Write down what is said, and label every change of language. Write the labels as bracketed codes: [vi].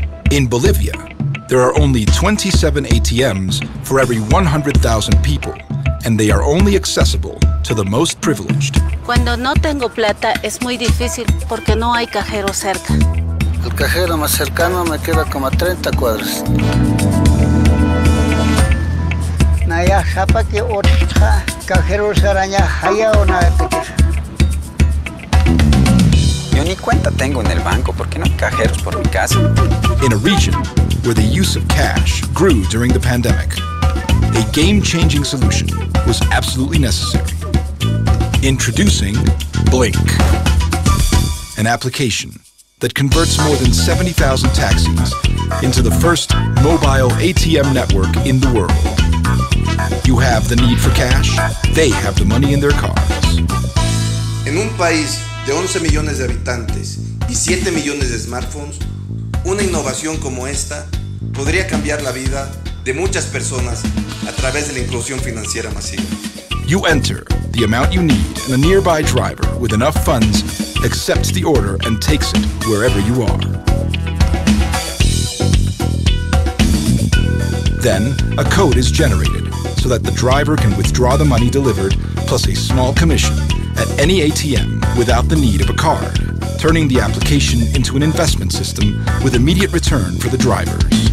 [en] In Bolivia, there are only 27 ATMs for every 100,000 people, and they are only accessible to the most privileged. [es] Cuando no tengo plata, es muy difícil porque no hay cajero cerca. El cajero más cercano me queda como a 30 cuadras. Naya japa que otra cajero saraña haya o nada que. Yo ni cuenta tengo en el banco porque no hay cajeros por mi casa. [en] In a region where the use of cash grew during the pandemic, a game-changing solution was absolutely necessary. Introducing Blink, an application that converts more than 70,000 taxis into the first mobile ATM network in the world. You have the need for cash, they have the money in their cars. [es] En un país de 11 millones de habitantes y 7 millones de smartphones, una innovación como esta podría cambiar la vida de muchas personas a través de la inclusión financiera masiva. [en] You enter the amount you need and a nearby driver with enough funds accepts the order and takes it wherever you are. Then a code is generated so that the driver can withdraw the money delivered plus a small commission at any ATM without the need of a card, turning the application into an investment system with immediate return for the drivers.